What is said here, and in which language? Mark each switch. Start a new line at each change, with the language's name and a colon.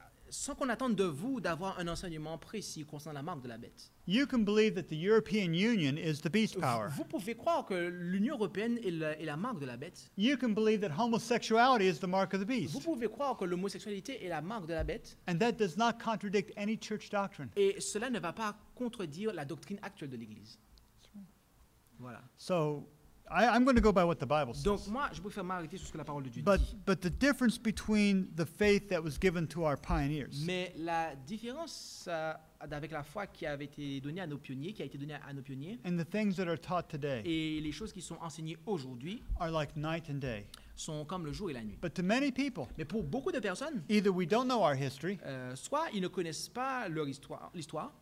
French: Sans qu'on attende de vous d'avoir un enseignement précis concernant la marque de la bête.
English: You can believe that the European Union is the beast power.
French: Vous pouvez croire que l'Union européenne est la marque de la bête.
English: You can believe that homosexuality is the mark of the beast.
French: Vous pouvez croire que l'homosexualité est la marque de la bête.
English: And that does not contradict any church doctrine.
French: Et cela ne va pas contredire la doctrine actuelle de l'Église. Voilà.
English: So, I'm going to go by what the Bible says.
French: Donc moi, je préfère m'arrêter sur ce que la parole de Dieu dit.
English: But the difference between the faith that was given to our pioneers.
French: Mais la différence avec la foi qui avait été donnée à nos pionniers,
English: And the things that are taught today.
French: Et les choses qui sont enseignées aujourd'hui.
English: Are like night and day.
French: Sont comme le jour et la nuit.
English: But to many people.
French: Mais pour beaucoup de personnes.
English: Either we don't know our history.
French: Soit ils ne connaissent pas leur histoire, l'histoire.